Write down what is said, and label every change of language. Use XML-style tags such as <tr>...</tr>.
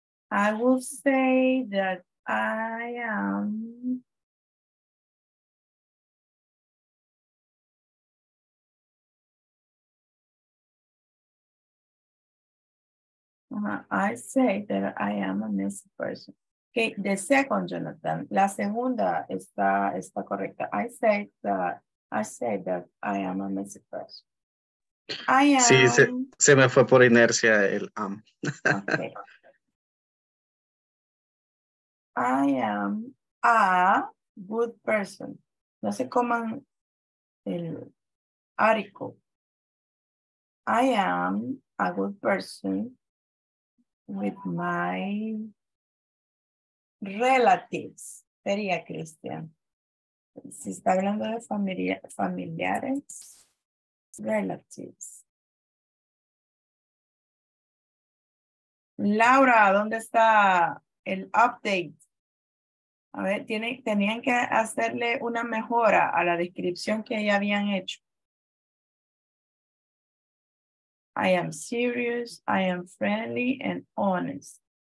<en>I will say that I am I say that I am a messy person. Okay, the second,</en> <es>Jonathan. La segunda está correcta.</es> <en>I say that I am a messy person. I am.</en> <es>Sí, se me fue por inercia el am.</es> <en>Okay. I am a good person.</en> <es>No se coman el arico.</es> <en>I am a good person with my relatives.</en> <es>Sería Cristian. Si está hablando de familiares.</es> <en>Relatives.</en> <es>Laura, ¿dónde está el update? A ver, tenían que hacerle una mejora a la descripción que ya habían hecho.</es> <en>I am serious, I am friendly and honest.</en>